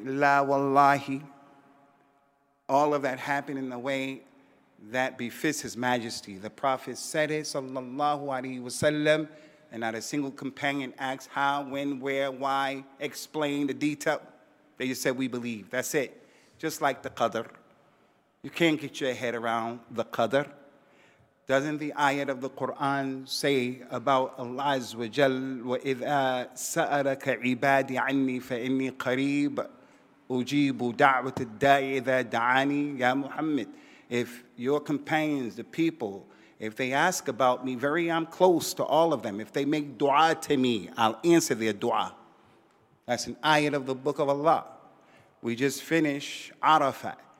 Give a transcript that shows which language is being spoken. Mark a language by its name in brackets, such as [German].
[English] La wallahi. All of that happened in a way that befits his majesty. The Prophet said it, sallallahu alayhi wa sallam, and not a single companion asked how, when, where, why, explain the detail. They just said, we believe. That's it. Just like the Qadr. You can't get your head around the Qadr. Doesn't the ayat of the Quran say about Allah Azza wa Jal, [Arabic] وَإِذَا سَأَلَكَ عِبَادِ عَنِّي فَإِنِّي قَرِيبٌ أُجِيبُ دَعْوَةَ الدَّاعِ إِذَا دَعَانِي يَا مُحَمَّدٍ. [English] If your companions, the people, if they ask about me, very I'm close to all of them. If they make dua to me, I'll answer their dua. That's an ayat of the book of Allah. We just finished Arafat.